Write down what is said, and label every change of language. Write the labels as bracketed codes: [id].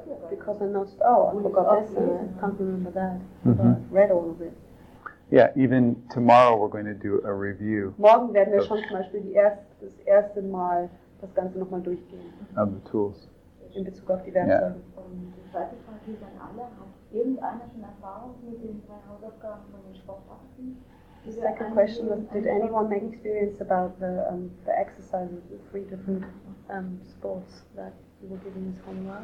[en] Because I noticed, I forgot this, and I can't remember that, but I read all of it. Yeah, even tomorrow we're going to do a review. [de] Morgen werden wir schon zum Beispiel das erste Mal das Ganze nochmal durchgehen. [en] Of the tools. [de] In Bezug auf die Werkzeuge. [en] Yeah. [de] Und die zweite Frage ist an alle: Hat irgendeiner schon Erfahrung mit den zwei Hausaufgaben von den Sportarten? [en] The second question was: Did anyone make experience about the exercises, the three different sports that you were giving this homework?